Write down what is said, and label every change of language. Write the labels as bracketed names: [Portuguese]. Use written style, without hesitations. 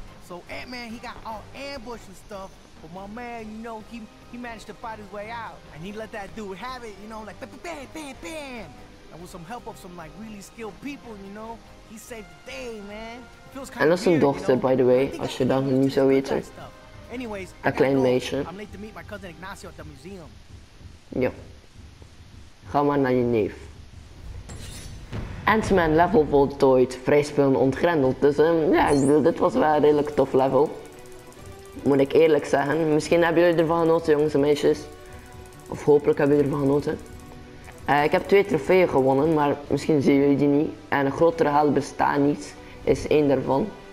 [English] So Ant-Man, he got all ambushed and stuff. But my man, you know, he managed to fight his way out. And he let that dude have it, you know, like bam, bam, bam. And with some help of some like really skilled people, you know, he saved the day, man. [Dutch] En dat is zijn dochter, [English] by the way, [Dutch] als je dan niet zou weten. [English] Anyways, [Dutch] een klein meisje. [English] I'm late to meet my cousin Ignacio at the museum. [Dutch] Ja. Ga maar naar je neef. Ant-Man level voltooid, vrijspelen ontgrendeld. Dus ja, dit was wel een redelijk tof level. Moet ik eerlijk zeggen. Misschien hebben jullie ervan genoten, jongens en meisjes. Of hopelijk hebben jullie ervan genoten. Ik heb 2 trofeeën gewonnen, maar misschien zien jullie die niet. En een grotere haal bestaat niet, is 1 daarvan.